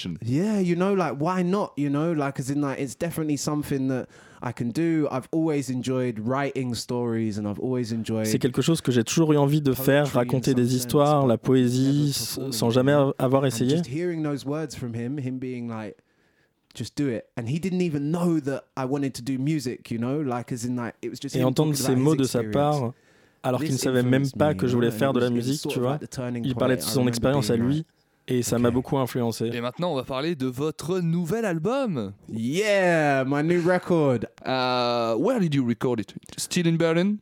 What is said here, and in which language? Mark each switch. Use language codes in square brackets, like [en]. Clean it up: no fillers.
[en] Yeah, you know, like, why not, you know? Like, as in, like, it's definitely something that I can do. I've always enjoyed writing stories and I've always enjoyed. [fr] C'est quelque chose que j'ai toujours eu envie de faire, raconter des histoires, la poésie, sans jamais avoir essayé. [en] Just hearing those words from him being like, just do it. And he didn't even know that I wanted to do music, you know, like as in that it was just. [fr] Et entendre ces mots de sa part, alors qu'il ne savait même pas que je voulais faire de la musique, tu vois. Il parlait de son expérience à lui, Et ça m'a beaucoup influencé. Et maintenant, on va parler de votre nouvel album. [en] Yeah, my new record. Where did you record it? Still in Berlin?